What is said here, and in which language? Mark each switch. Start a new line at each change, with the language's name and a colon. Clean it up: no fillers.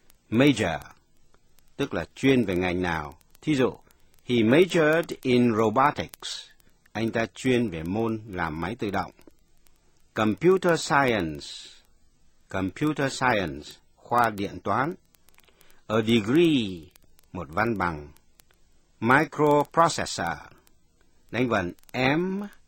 Vietnamese: Major, tức là chuyên về ngành nào. Thí dụ,
English: he majored in robotics.
Vietnamese: Anh ta chuyên về môn làm máy tự động. Computer science. Computer science, khoa điện toán.
English: A degree,
Vietnamese: một văn bằng. Microprocessor, đánh vần M-I-C-R-O,